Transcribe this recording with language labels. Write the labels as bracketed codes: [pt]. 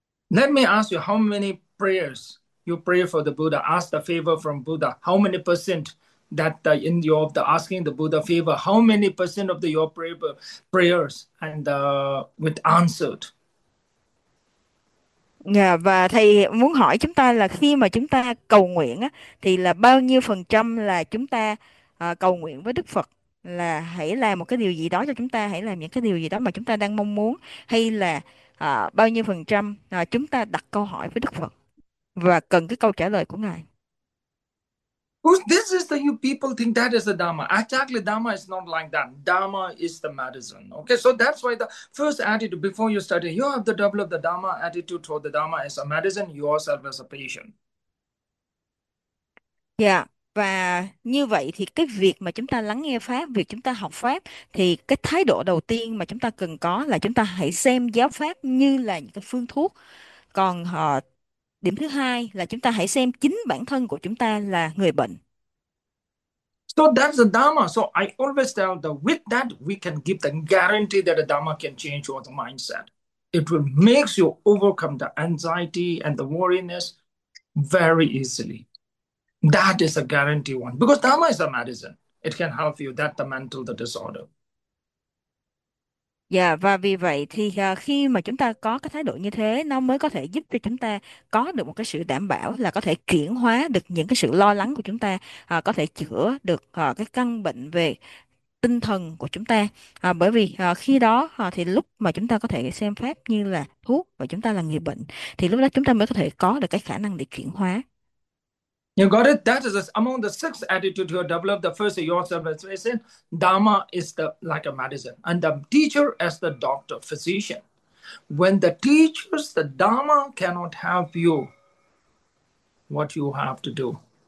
[en] Let me ask you how many prayers you pray for the Buddha, ask the favor from Buddha. How many percent that in your the asking the Buddha favor? How many percent of the your prayers and with answered? [vi] Và thầy muốn hỏi chúng ta là khi mà chúng ta cầu nguyện á, thì là bao nhiêu phần trăm là chúng ta cầu nguyện với Đức Phật là hãy làm một cái điều gì đó cho chúng ta, hãy làm những cái điều gì đó mà chúng ta đang mong muốn, hay là bao nhiêu phần trăm chúng ta đặt câu hỏi với Đức Phật và cần cái câu trả lời của Ngài? [en] This is the you people think that is the Dharma. Actually, Dharma is not like that. Dharma is the medicine. Okay, so that's why the first attitude before you study, you have to develop the Dharma attitude toward the Dharma as a medicine, yourself as a patient. [vi] Dạ, và như vậy thì cái việc mà chúng ta lắng nghe pháp, việc chúng ta học pháp, thì cái thái độ đầu tiên mà chúng ta cần có là chúng ta hãy xem giáo pháp như là những cái phương thuốc. Còn họ điểm thứ hai là chúng ta hãy xem chính bản thân của chúng ta là người bệnh. [en] So that's the Dharma. So I always tell the with that we can give the guarantee that the Dharma can change your mindset. It will makes you overcome the anxiety and the worriness very easily. That is a guarantee one. Because Dharma is a medicine. It can help you that the mental the disorder. [vi] Dạ, và vì vậy thì khi mà chúng ta có cái thái độ như thế, nó mới có thể giúp cho chúng ta có được một cái sự đảm bảo là có thể chuyển hóa được những cái sự lo lắng của chúng ta, có thể chữa được cái căn bệnh về tinh thần của chúng ta. Bởi vì khi đó thì lúc mà chúng ta có thể xem pháp như là thuốc và chúng ta là người bệnh, thì lúc đó chúng ta mới có thể có được cái khả năng để chuyển hóa. [en] You got it? That is among the six attitudes you develop. The first is your self-realization. Dharma is the like a medicine, and the teacher as the doctor, physician. When the teachers, the Dharma cannot help you, what you have to do?